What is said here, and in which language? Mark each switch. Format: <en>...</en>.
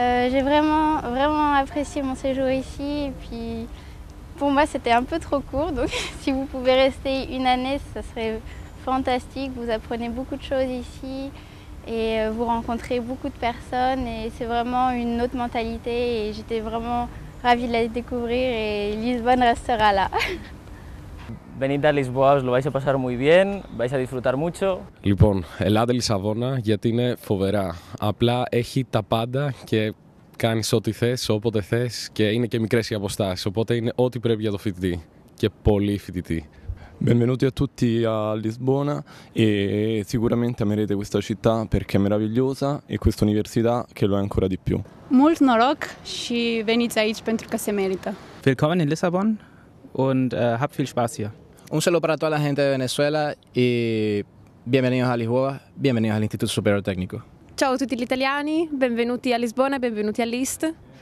<fr>J'ai vraiment, vraiment apprécié mon séjour ici et puis pour moi c'était un peu trop court, donc si vous pouvez rester une année, ça serait fantastique. Vous apprenez beaucoup de choses ici et vous rencontrez beaucoup de personnes et c'est vraiment une autre mentalité et j'étais vraiment ravie de la découvrir et Lisbonne restera là.</fr> <es>Venite a Lisboa, os lo vais a pasar muy bien, vais a disfrutar mucho.</es> <el>Λοιπόν, ελάτε Λισαβόνα γιατί είναι φοβερά. Απλά έχει τα πάντα και κάνεις ό,τι θες, όποτε θες και είναι και μικρές οι αποστάσεις. Οπότε είναι ό,τι πρέπει για το φοιτητή και πολύ φοιτητή.</el> <it>Benvenuti a tutti a Lisbona e sicuramente amerete questa città perché è meravigliosa e questa università che lo è ancora di più.</it> <ro>Mult noroc și veniți aici pentru că se merită.</ro> <de>Willkommen in Lissabon. Und habt viel Spaß hier.</de> <es>Un saludo para toda la gente de Venezuela y bienvenidos a Lisboa, bienvenidos al Instituto Superior Técnico.</es> <it>Ciao a tutti gli italiani, benvenuti a Lisbona, benvenuti a l'IST.</it>